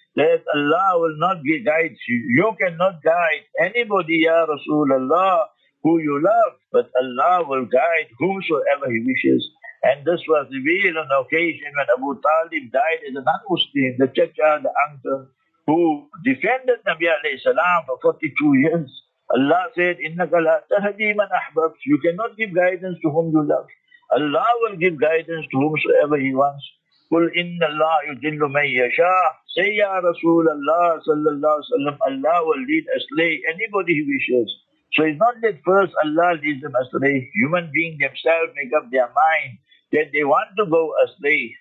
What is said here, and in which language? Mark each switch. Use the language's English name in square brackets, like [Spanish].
[English] That Allah will not guide you. You cannot guide anybody, Ya Rasulullah, who you love, but Allah will guide whosoever He wishes. And this was revealed on the occasion when Abu Talib died as a non-Muslim, the chacha, the uncle, who defended Nabi alayhi salam for 42 years. Allah said, [Arabic] إِنَّكَ لَا تَهْدِي مَنْ أَحْبَبْتَ. [English] You cannot give guidance to whom you love. Allah will give guidance to whomsoever He wants. [Arabic] قُلْ إِنَّ اللَّهَ يُدِلُّ مَنْ يَشَاءَ. [English] Say, Ya Rasulullah sallallahu alayhi wa sallam, Allah will lead astray anybody He wishes. So it's not that first Allah leads them astray. Human beings themselves make up their mind that they want to go astray.